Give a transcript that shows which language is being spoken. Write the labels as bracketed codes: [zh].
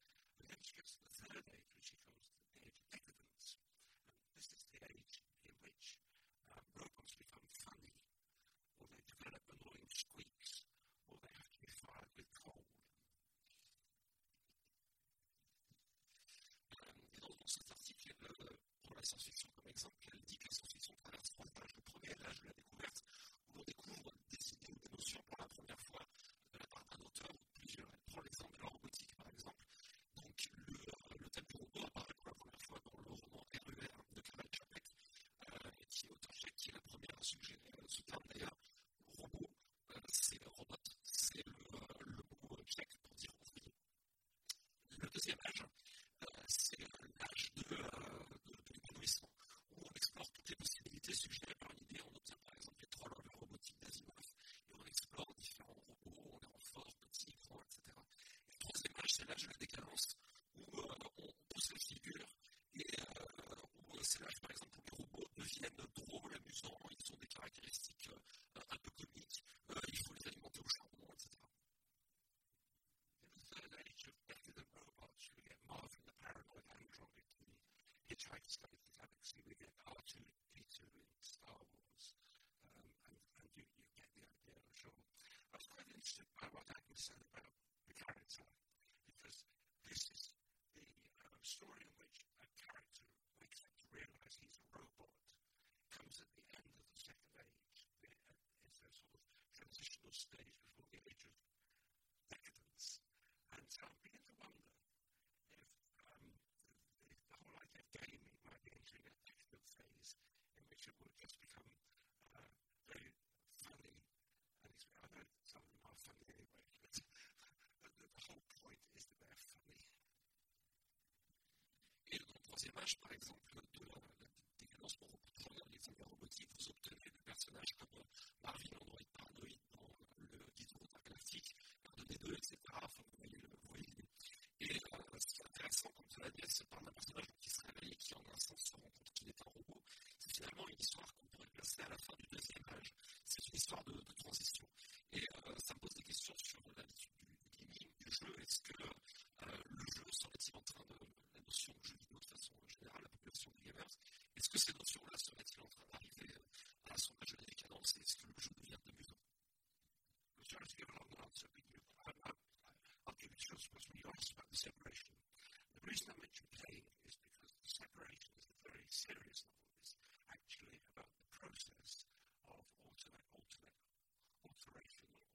[en] And this is the age in which robots become funny, or they develop annoying squeaks, or they have to be fired with coal. [fr] Dans cet article, pour la science-fiction comme exemple, elle dit que la science-fiction traverse trois âges. Le premier est l'âge de la découverte, où l'on découvre des idées ou des notions pour la première fois de la part d'un auteur ou plusieurs. Elle prend l'exemple de la robotique, par exemple. Donc, le thème pour deviennent drôles, amusants, ils ont des caractéristiques un peu comiques, il faut les alimenter au charbon, etc. [en] Hitchhiker's Guide to the Galaxy, we get R2-D2 in Star Wars, and you get the idea, I'm sure. I was quite interested by what Adam said about the character, because this is the story in which a character wakes up to realize he's a robot, comes at the end of the second age, it's a sort of transitional stage before the age of decadence, and so I begin to wonder if the whole idea of gaming might be entering a technical phase in which it will just become very funny. And I know some of them are funny anyway, but the whole point is that they're funny. [fr] Et dans le troisième âge, par exemple, de la décadence pour reprendre les objets robotiques, vous obtenez des personnages comme Marvin, Android, Paranoïde dans le Disney Star Galactique, R2-D2, etc. Enfin, vous voyez l'idée. Et c'est intéressant quand on a dit ça parle d'un personnage qui se réveille et qui, en un sens, se rend compte qu'il est un robot. C'est finalement une histoire qu'on pourrait placer à la fin du deuxième âge. C'est une histoire de transition. Et ça me pose des questions sur l'habitude du gaming, du jeu. Est-ce que le jeu serait-il en train de. La notion de jeu vidéo de façon générale, la population des gamers, est-ce que ces notions-là seraient-ils en train d'arriver à son âge de décadence et est-ce que le jeu devient amusant? [en] I'll give you a short response when you asked about the separation. The reason I mention playing is because the separation is a very serious novel. It's actually about the process of alteration.